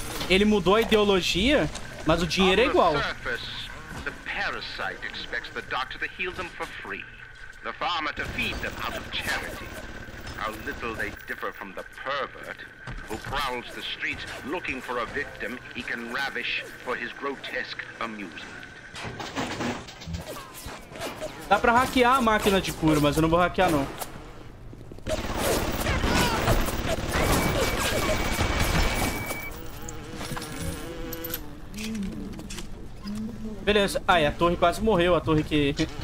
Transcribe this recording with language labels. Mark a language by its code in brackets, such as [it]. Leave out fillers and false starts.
[pt] Ele mudou a ideologia, mas o dinheiro é igual. [en] O parasite expects the doctor to heal them for free. The farmer to feed them out of charity. How little they differ from the pervert who prowls the streets looking for a victim he can ravish for his grotesque amusement. [pt] Dá pra hackear a máquina de cura, mas eu não vou hackear não. Beleza. Ai, a torre quase morreu, a torre que...